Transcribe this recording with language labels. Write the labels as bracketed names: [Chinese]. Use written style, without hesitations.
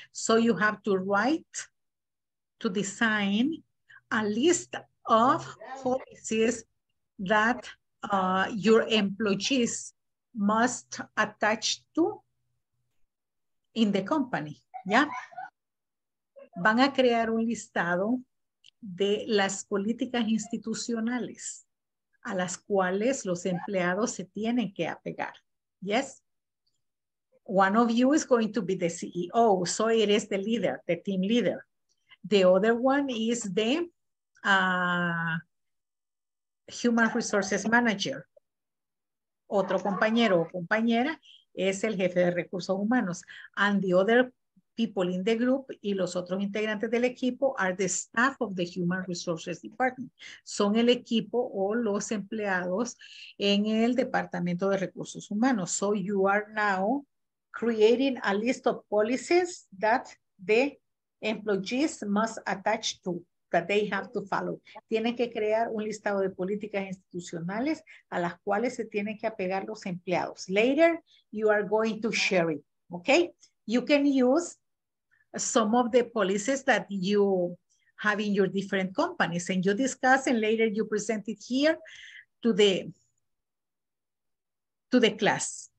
[English] So you have to write to design a list of policies that your employees must attach to in the company, ¿ya? [Spanish] Van a crear un listado de las políticas institucionales a las cuales los empleados se tienen que apegar, ¿yes? [English] One of you is going to be the CEO, so it is the leader, the team leader. The other one is the human resources manager. [Spanish] Otro compañero o compañera es el jefe de recursos humanos. [English] And the other people in the group [Spanish] y los otros integrantes del equipo [English] are the staff of the human resources department. [Spanish] Son el equipo o los empleados en el departamento de recursos humanos. [English] So you are now creating a list of policies that the employees must attach to, that they have to follow. [Spanish] Tienen que crear un listado de políticas institucionales a las cuales se tienen que apegar los empleados. [English] Later, you are going to share it, okay? You can use some of the policies that you have in your different companies and you discuss and later you present it here to the class.